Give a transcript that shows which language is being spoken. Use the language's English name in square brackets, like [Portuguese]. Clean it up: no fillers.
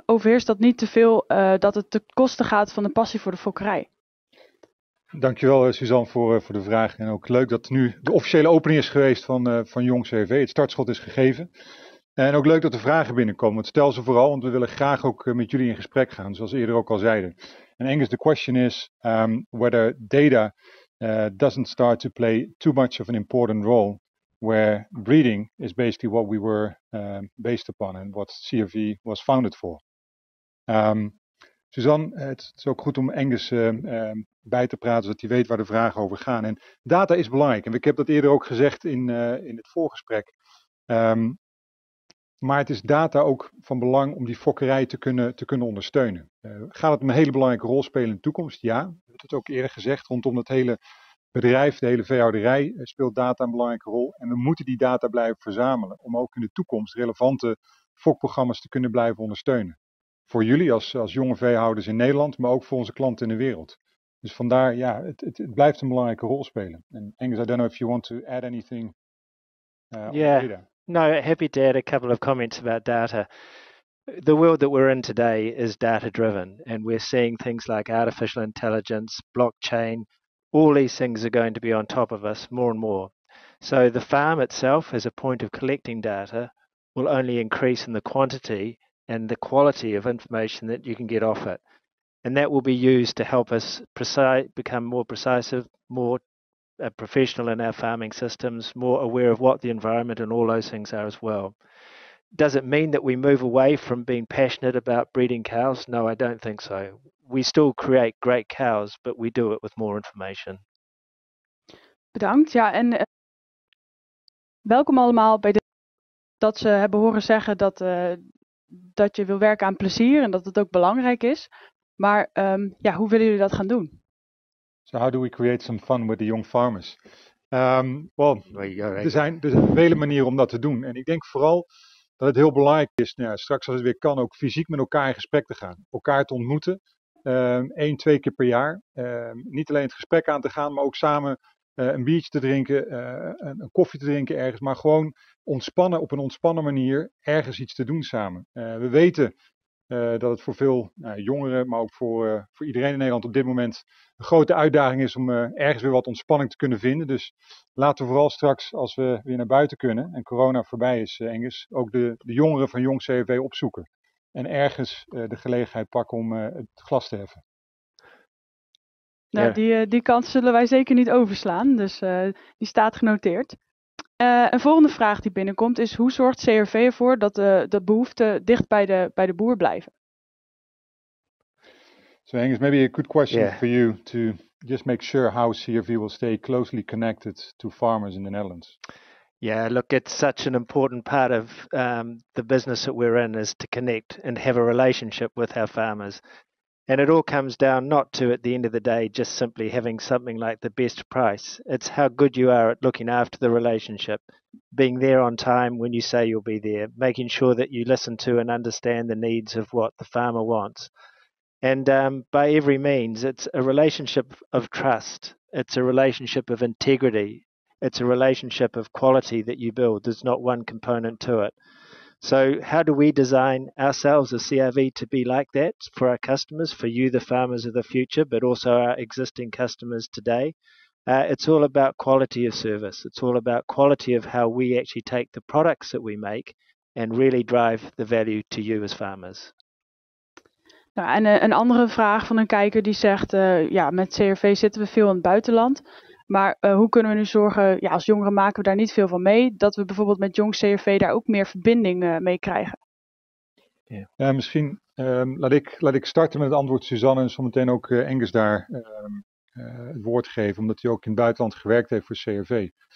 [Dutch] Overheerst dat niet te veel dat het ten koste gaat van de passie voor de fokkerij? Dankjewel Suzanne voor de vraag. En ook leuk dat nu de officiële opening is geweest van Young CRV. Het startschot is gegeven. En ook leuk dat de vragen binnenkomen. Want stel ze vooral, want we willen graag ook met jullie in gesprek gaan. Zoals eerder ook al zeiden. [English] In Engels, the question is whether data doesn't start to play too much of an important role where breeding is basically what we were based upon and what CRV was founded for. [Dutch] Suzanne, het is ook goed om Engels bij te praten, zodat hij weet waar de vragen over gaan. En data is belangrijk. En ik heb dat eerder ook gezegd in het voorgesprek. Maar het is data ook van belang om die fokkerij te kunnen ondersteunen. Gaat het een hele belangrijke rol spelen in de toekomst? Ja, dat is ook eerder gezegd. Rondom het hele bedrijf, de hele veehouderij, speelt data een belangrijke rol. En we moeten die data blijven verzamelen om ook in de toekomst relevante fokprogramma's te kunnen blijven ondersteunen. Voor jullie als jonge veehouders in Nederland, maar ook voor onze klanten in de wereld. Dus vandaar, ja, het blijft een belangrijke rol spelen. [English] En Angus, I don't know if you want to add anything. No, happy to add a couple of comments about data. The world that we're in today is data-driven, and we're seeing things like artificial intelligence, blockchain, all these things are going to be on top of us more and more. So the farm itself as a point of collecting data will only increase in the quantity and the quality of information that you can get off it. And that will be used to help us become more precise, more professional in our farming systems, more aware of what the environment and all those things are as well. Does it mean that we move away from being passionate about breeding cows? No, I don't think so. We still create great cows, but we do it with more information. [Dutch] Bedankt. Ja, en welkom allemaal bij dat ze hebben horen zeggen dat je wil werken aan plezier en dat het ook belangrijk is. Maar ja, hoe willen jullie dat gaan doen? [English] So how do we create some fun with the young farmers? [Dutch] Er zijn vele manieren om dat te doen. En ik denk vooral dat het heel belangrijk is, nou ja, straks als het weer kan, ook fysiek met elkaar in gesprek te gaan. Elkaar te ontmoeten, 1-2 keer per jaar. Niet alleen het gesprek aan te gaan, maar ook samen een biertje te drinken, een koffie te drinken ergens. Maar gewoon ontspannen, op een ontspannen manier, ergens iets te doen samen. We weten dat het voor veel jongeren, maar ook voor iedereen in Nederland op dit moment een grote uitdaging is om ergens weer wat ontspanning te kunnen vinden. Dus laten we vooral straks, als we weer naar buiten kunnen en corona voorbij is, Engus, ook de jongeren van Young CRV opzoeken. En ergens de gelegenheid pakken om het glas te heffen. Nou, ja. Die kans zullen wij zeker niet overslaan. Dus die staat genoteerd. Een volgende vraag die binnenkomt is: hoe zorgt CRV ervoor dat de behoeften dicht bij de boer blijven? [English] So Angus, maybe a good question for you to just make sure how CRV will stay closely connected to farmers in the Netherlands. Yeah, look, it's such an important part of the business that we're in is to connect and have a relationship with our farmers. And it all comes down not to, at the end of the day, just simply having something like the best price. It's how good you are at looking after the relationship, being there on time when you say you'll be there, making sure that you listen to and understand the needs of what the farmer wants. And by every means, it's a relationship of trust. It's a relationship of integrity. It's a relationship of quality that you build. There's not one component to it. So how do we design ourselves as CRV to be like that for our customers, for you, the farmers of the future, but also our existing customers today? It's all about quality of service. It's all about quality of how we actually take the products that we make and really drive the value to you as farmers. [Dutch] Nou, en een andere vraag van een kijker die zegt, met CRV zitten we veel in het buitenland. Maar hoe kunnen we nu zorgen, als jongeren maken we daar niet veel van mee, dat we bijvoorbeeld met Jong CRV daar ook meer verbinding mee krijgen? Ja, misschien laat ik starten met het antwoord, Suzanne, en zometeen ook Angus daar het woord geven, omdat hij ook in het buitenland gewerkt heeft voor CRV.